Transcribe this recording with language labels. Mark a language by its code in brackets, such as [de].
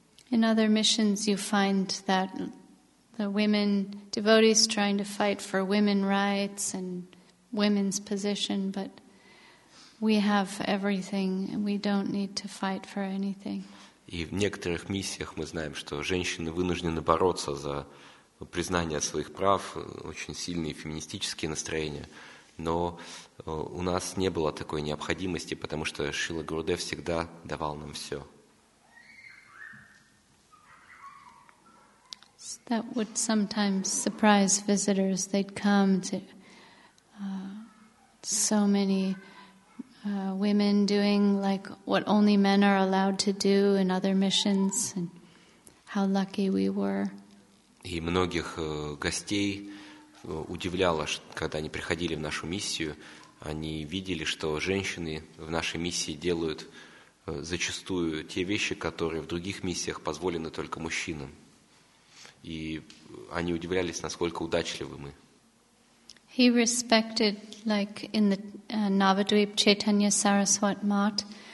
[en] In other missions, you find that the women devotees trying to fight for women rights and women's position, but we have everything and we don't need to fight for anything. [ru] И в некоторых миссиях мы знаем, что женщины вынуждены бороться за признание своих прав, очень сильные феминистические настроения, но у нас не было такой необходимости, потому что Шрила Гурудев всегда давал нам все. [en] That would sometimes surprise visitors. They'd come to so many women doing like what only men are allowed to do in other missions, and how lucky we were. [ru] И многих гостей удивляло, когда они приходили в нашу миссию, они видели, что женщины в нашей миссии делают зачастую те вещи, которые в других миссиях позволены только мужчинам. И они удивлялись, насколько удачливы мы. [en] He respected, like in the Navadvip Chaitanya Saraswat Math,